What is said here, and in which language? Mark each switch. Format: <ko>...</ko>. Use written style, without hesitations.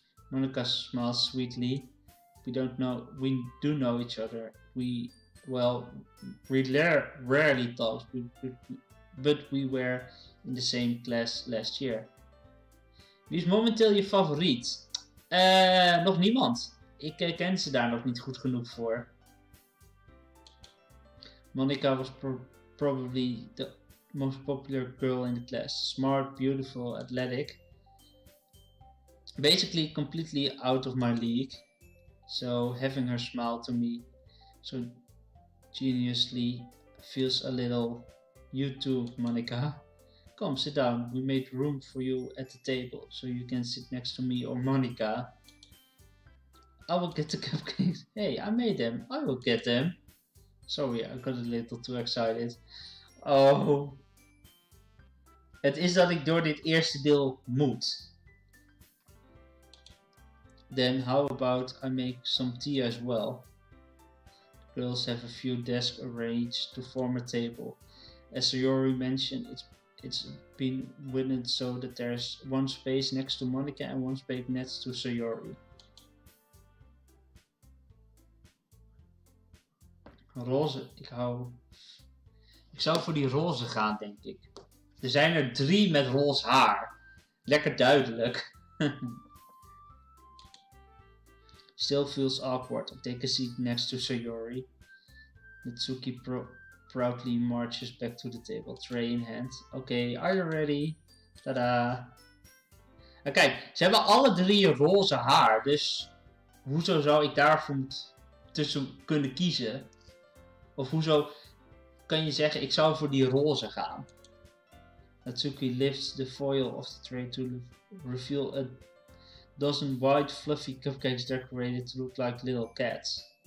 <en>Monica smiles sweetly. We do know each other. We rarely talk. but we were in the same class last year.</en> <nl>Wie is momenteel je favoriet? Nog niemand. Ik ken ze daar nog niet goed genoeg voor.</nl> <en>Monica was probably the most popular girl in the class. Smart, beautiful, athletic. Basically completely out of my league. So having her smile to me so geniusly feels a little you too, Monica. Come, sit down. We made room for you at the table so you can sit next to me or Monica. I will get the cupcakes. Hey, I made them. I will get them. Sorry, I got a little too excited. Oh.</en> <nl>Het is dat ik door dit eerste deel moet.</nl> <en>Then how about I make some tea as well? The girls have a few desks arranged to form a table. As Sayori mentioned, it's been widened so that there's one space next to Monica and one space next to Sayori.</en> <nl>Roze, ik zou voor die roze gaan, denk ik. Er zijn er drie met roze haar. Lekker duidelijk.</nl> <en>Still feels awkward. I take a seat next to Sayori. Natsuki proudly marches back to the table, tray in hand. Okay, are you ready? Tada.</en> <nl>Oké, okay, ze hebben alle drie roze haar. Dus hoezo zou ik daarvoor tussen kunnen kiezen? Of hoezo kan je zeggen, ik zou voor die roze gaan?</nl> <en>Natsuki lifts the foil of the tray to reveal a dozen white fluffy cupcakes decorated to look like little cats.</en>